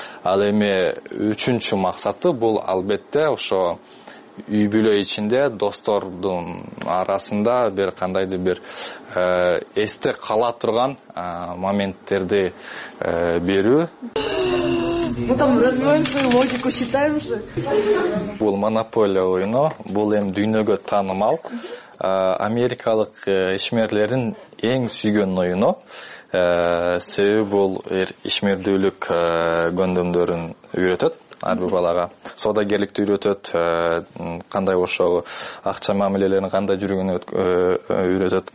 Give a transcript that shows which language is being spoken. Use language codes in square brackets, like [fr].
[ky] Ал эми үчүнчү максаты бул албетте ошо үй бүлө ичинде достордун арасында бир кандайдыр бир эсте кала турган моменттерди берүү. [ru] Мы там развиваем свою логику, считаем же. [ky] Бул монополия ойно, бул эми дүйнөгө таанымал. Америкалык ишмерлердин эң сүйгөн ойно. Себеби бул ишмердүүлүк көндөмдөрүн үйрөтөт. Ар бир балага соодагерликти үйрөтөт, кандай ошо акча мамилелерин кандай жүргөнүн үйрөтөт.